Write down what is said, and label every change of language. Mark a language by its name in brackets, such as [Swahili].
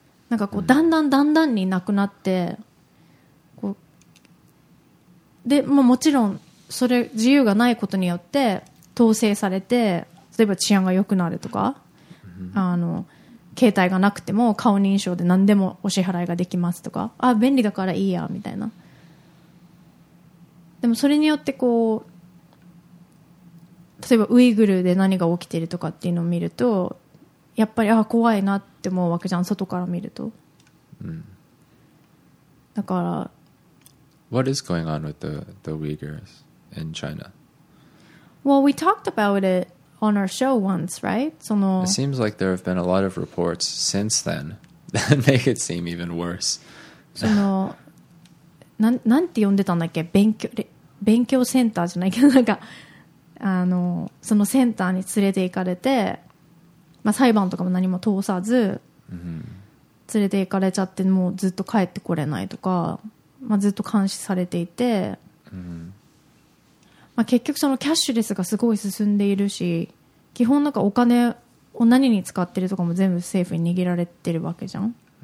[Japanese] なんかこうだんだんだんだんになくなって、で、まあ、もちろんそれ自由がないことによって統制されて、例えば治安が良くなるとか、あの携帯がなくても顔認証で何でもお支払いができますとか、あ便利だからいいやみたいな。でもそれによってこう、例えばウイグルで何が起きているとかっていうのを見ると、やっぱりあ怖いなって思うわけじゃん、外から見ると。だから [English] What is going on with the Uyghurs in China? Well, we talked about it on our show once, right? [Japanese] その [English] It seems like there have been a lot of reports since then that make it seem even worse. [Japanese] その、なんて呼んでたんだっけ？勉強センターじゃないけど、なんか、あの、そのセンターに連れて行かれて、まあ、裁判とかも何も通さず、連れて行かれちゃって、もうずっと帰ってこれないとか、まあ、ずっと監視されていて、まあ、結局そのキャッシュレスがすごい進んでいるし、基本なんかお金を何に使ってるとかも全部政府に握られてるわけじゃん。